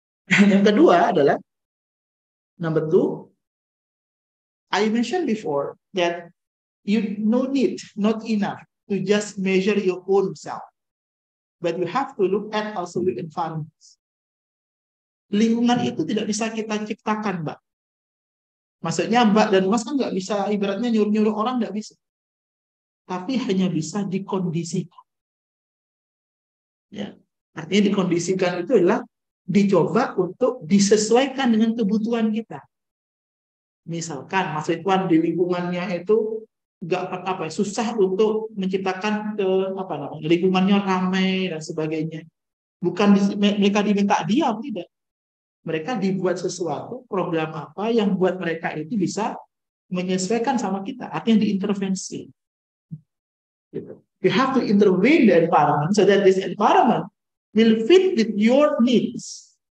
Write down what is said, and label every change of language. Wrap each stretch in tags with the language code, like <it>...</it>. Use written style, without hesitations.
<id>Yang kedua adalah</id> <en>number two. I mentioned before that you no need, not enough to just measure your own self, but you have to look at also the environment.</en> <id>Lingkungan itu tidak bisa kita ciptakan, Mbak. Maksudnya Mbak dan Mas kan nggak bisa ibaratnya nyuruh-nyuruh orang, nggak bisa. Tapi hanya bisa dikondisikan. Ya, artinya dikondisikan itu adalah dicoba untuk disesuaikan dengan kebutuhan kita. Misalkan Mas Ridwan di lingkungannya itu nggak apa-apa, susah untuk menciptakan lingkungannya ramai dan sebagainya. Bukan mereka diminta diam, tidak. Mereka dibuat sesuatu, program apa yang buat mereka itu bisa menyesuaikan sama kita. Artinya diintervensi.</id> <en>You have to intervene the environment so that this environment will fit with your needs.</en>